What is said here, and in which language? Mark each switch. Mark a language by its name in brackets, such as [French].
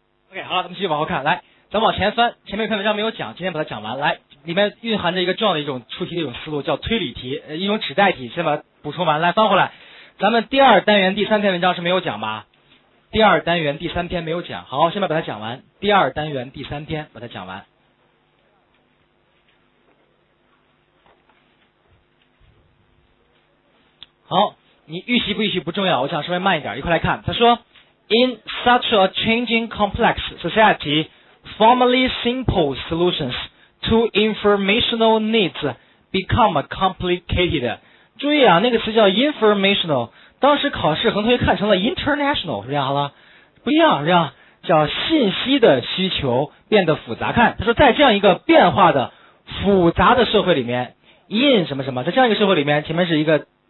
[Chinese] OK， 好了，咱们继续往后看，来，咱往前翻，前面课文章没有讲，今天把它讲完，来，里面蕴含着一个重要的一种出题的一种思路，叫推理题，一种指代题，先把它补充完，来翻回来，咱们第二单元第三篇文章是没有讲吧？第二单元第三篇没有讲，好，先把它讲完，第二单元第三篇把它讲完。好，你预习不预习不重要，我想稍微慢一点，一块来看。他说 [English] ，In such a changing complex society, formerly simple solutions to informational needs become complicated。 [Chinese] 注意啊，那个词叫 informational， 当时考试横推看成了 international， 是这样了，不一样，是这样，叫信息的需求变得复杂。看，他说在这样一个变化的复杂的社会里面 ，in 什么什么，在这样一个社会里面，前面是一个。